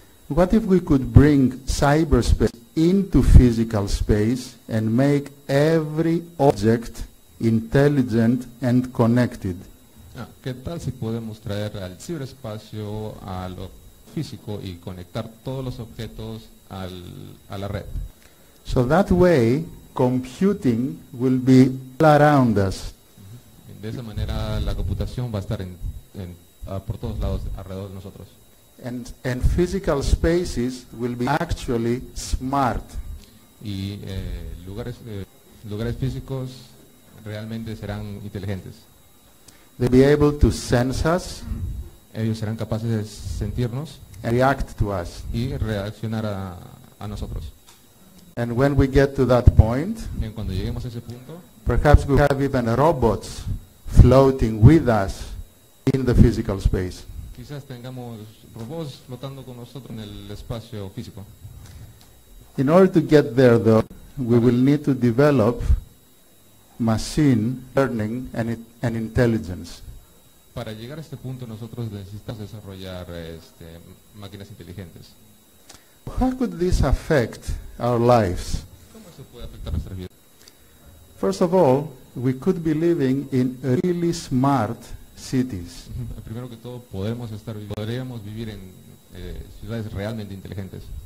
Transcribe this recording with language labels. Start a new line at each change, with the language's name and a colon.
English: What if we could bring cyberspace into physical space and make every object intelligent and connected?
Spanish: ¿Qué tal si podemos traer al ciberespacio a lo físico y conectar todos los objetos a la red?
English: So that way, computing will be all around us.
Spanish: De esa manera, la computación va a estar por todos lados alrededor de nosotros.
English: And physical spaces will be actually smart.
Spanish: Y lugares físicos realmente serán inteligentes.
English: They'll be able to sense us.
Spanish: Ellos serán capaces de sentirnos.
English: And react to us.
Spanish: Y reaccionar a nosotros.
English: And when we get to that point,
Spanish: en cuando lleguemos a ese punto,
English: perhaps we have even robots floating with us in the physical space.
Spanish: Quizás tengamos robots flotando con nosotros en el espacio físico.
English: In order to get there, though, we will need to develop machine learning and intelligence.
Spanish: Para llegar a este punto, nosotros necesitamos desarrollar máquinas inteligentes.
English: How could this affect our lives?
Spanish: ¿Cómo eso puede afectar nuestras vidas?
English: First of all, we could be living in really smart cities.
Spanish: Primero que todo, podríamos vivir en ciudades realmente inteligentes.